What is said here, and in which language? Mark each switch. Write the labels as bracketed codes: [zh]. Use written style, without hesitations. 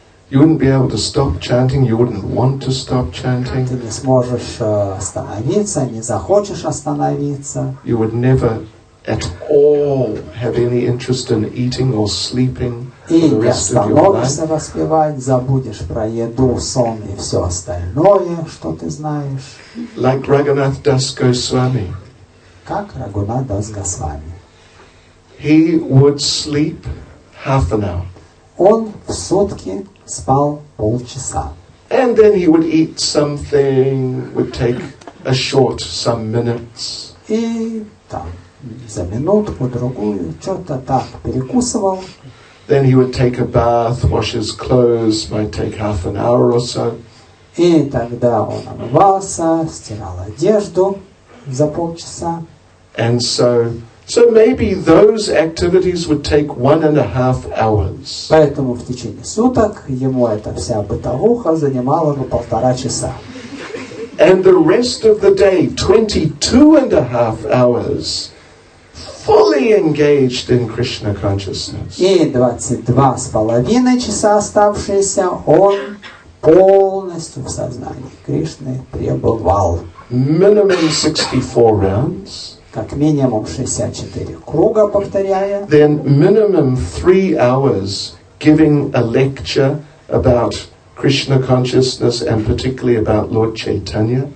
[en] You wouldn't be able to stop chanting, you wouldn't want to stop chanting. [ru] Ты не сможешь остановиться, не захочешь остановиться. [en] You would never at all have any interest in eating or sleeping for the rest of your life. [ru] И не остановишься воспевать, забудешь про еду, сон и все остальное, что ты знаешь. [en] Like Raghunath Das Goswami. [ru] Как Рагунат Дас Госвами. [en] He would sleep half an hour. [ru] Он в сутки спал полчаса. [en] And then he would eat something, would take a short some minutes. [ru] И там за минутку, другую, что-то так перекусывал. [en] Then he would take a bath, wash his clothes, might take half an hour or so. [ru] И тогда он омывался, стирал одежду за полчаса. [en] And so So maybe those activities would take 1.5 hours. [ru] Поэтому в течение суток ему эта вся бытовуха занимала бы 1.5 часа. [en] And the rest of the day, 22.5 hours, fully engaged in Krishna consciousness. [ru] И 22.5 часа оставшиеся он полностью в сознании Кришны пребывал. [en] Minimum 64 rounds. [ru] Как минимум 64 круга, повторяя. [en] Then minimum 3 hours giving a lecture about Krishna consciousness and particularly about Lord Chaitanya.